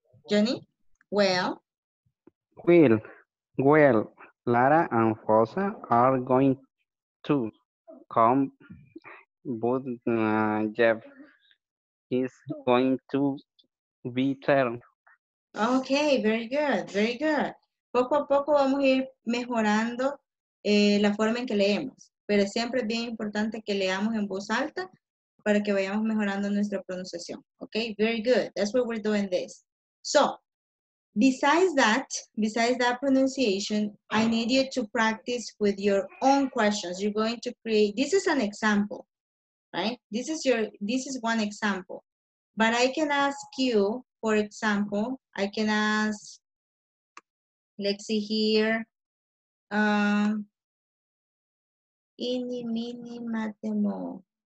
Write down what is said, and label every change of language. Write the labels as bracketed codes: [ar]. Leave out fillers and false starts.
[en] Johnny? Well? Well, Lara and Rosa are going to come, but Jeff is going to be there. Okay, very good, very good. [es] Poco a poco vamos a ir mejorando la forma en que leemos, pero siempre es bien importante que leamos en voz alta para que vayamos mejorando nuestra pronunciación. [en] Okay, very good. That's why we're doing this. So, besides that pronunciation, I need you to practice with your own questions. You're going to create, this is an example, right? This is one example. But I can ask you, for example, I can ask, let's see here, eeny, meeny, miny, mo.